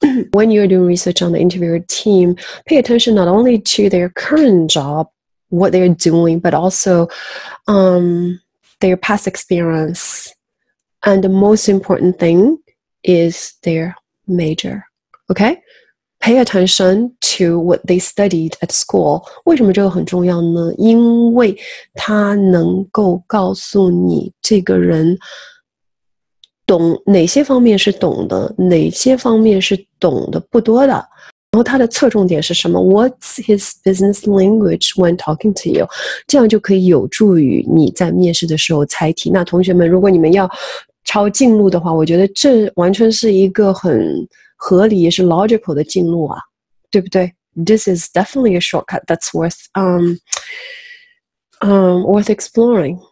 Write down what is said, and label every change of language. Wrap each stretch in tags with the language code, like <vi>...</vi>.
<en>When you're doing research on the interviewer team, pay attention not only to their current job, what they're doing, but also their past experience. And the most important thing is their major, okay? Pay attention to what they studied at school.</en> <zh>为什么这个很重要呢？因为它能够告诉你这个人懂哪些方面是懂的，哪些方面是懂的不多的。然后他的侧重点是什么 ？</zh> <en>What's his business language when talking to you？</en> <zh>这样就可以有助于你在面试的时候猜题。那同学们，如果你们要抄近路的话，我觉得这完全是一个很合理也是 logical 的近路啊，对不对 ？</zh> <en>This is definitely a shortcut that's worth worth exploring.</en>